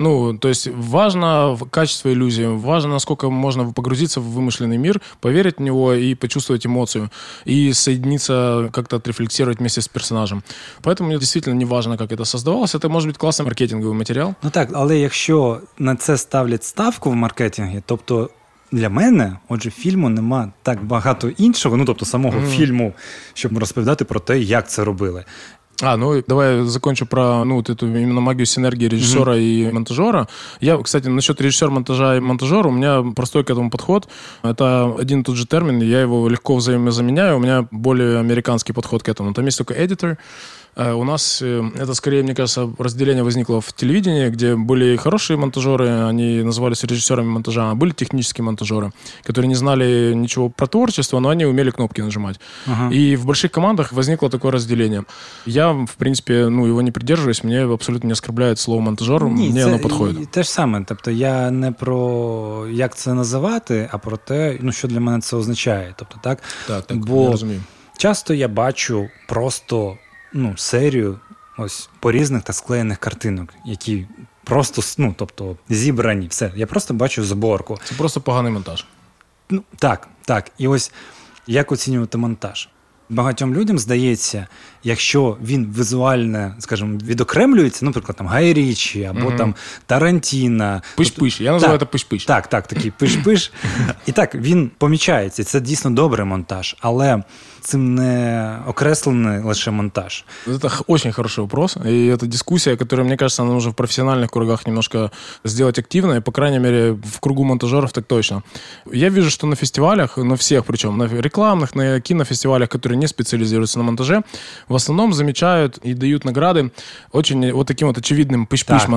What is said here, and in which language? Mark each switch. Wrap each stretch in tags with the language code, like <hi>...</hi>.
<uk>Ну, тобто, важна в качестві ілюзії, важно, наскільки можна погрузитися в вимишлений мир, повірити в нього і почувствувати емоцію, і соединитися, як-то отрефлексувати вместе з персонажем. Поэтому мені дійсно не важно, як це создавалося. Це може бути класний маркетинговий матеріал. Ну так, але якщо на це ставлять ставку в маркетингі, тобто для мене, отже, фільму нема так багато іншого, ну, тобто самого фільму, щоб розповідати про те, як це робили.</uk> <ru>А, ну давай закончу про ну эту именно магию синергии режиссера и монтажера. Я, кстати, насчет режиссера, монтажа и монтажера, у меня простой к этому подход. Это один и тот же термин, я его легко взаимозаменяю. У меня более американский подход к этому. Там есть только editor. У нас это скорее, мне кажется, разделение возникло в телевидении, где были хорошие монтажеры, они назывались режиссерами монтажа, а были технические монтажеры, которые не знали ничего про творчество, но они умели кнопки нажимать. Uh-huh. И в больших командах возникло такое разделение. Я, в принципе, ну, его не придерживаюсь, мне абсолютно не оскорбляет слово монтажер, мне оно подходит.</ru> <uk>Те же самое, тобто я не про як це називати, а про те, ну, що для мене це означає. Тобто, так? Так, бо я розумію. Часто я бачу просто ну, серію ось порізних та склеєних картинок, які просто, ну, тобто, зібрані, все. Я просто бачу зборку. Це просто поганий монтаж. Ну, так, так. І ось, як оцінювати монтаж? Багатьом людям здається, якщо він візуально, скажімо, відокремлюється, ну, наприклад, там, Гай Річі, або там Тарантіна. Пиш-пиш, я називаю так, це пиш-пиш. Так, так, такий пиш-пиш. І так, він помічається, це дійсно добрий монтаж, але цим не окреслений лише монтаж.</uk> <ru>Это очень хороший вопрос. И это дискуссия, которая, мне кажется, нам нужно в профессиональных кругах немножко сделать активной. По крайней мере, в кругу монтажеров так точно. Я вижу, что на фестивалях, на всех причем, на рекламных, на кинофестивалях, которые не специализируются на монтаже, в основном замечают и дают награды очень вот таким вот очевидным пыш-пыш монтажам.</ru>